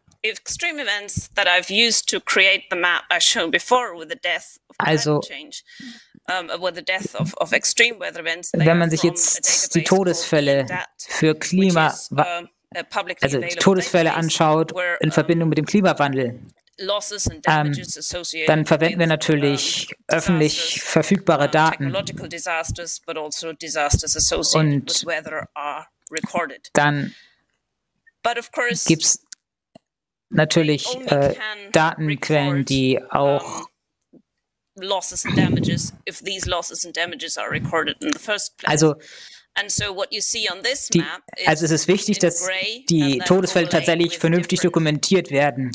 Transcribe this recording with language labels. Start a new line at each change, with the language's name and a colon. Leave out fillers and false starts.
English: extreme events that I've used to create the map I've shown before with the death of climate change.
German: Wenn man sich jetzt die Todesfälle für Klima, also Todesfälle anschaut in Verbindung mit dem Klimawandel, dann verwenden wir natürlich öffentlich verfügbare Daten und dann gibt es natürlich Datenquellen, die auch
English: losses and damages, if these losses and damages are recorded in the first place.
German: Also,
English: and so what you see on this
German: die,
English: map
German: is also es ist wichtig, dass die Todesfälle tatsächlich vernünftig dokumentiert werden.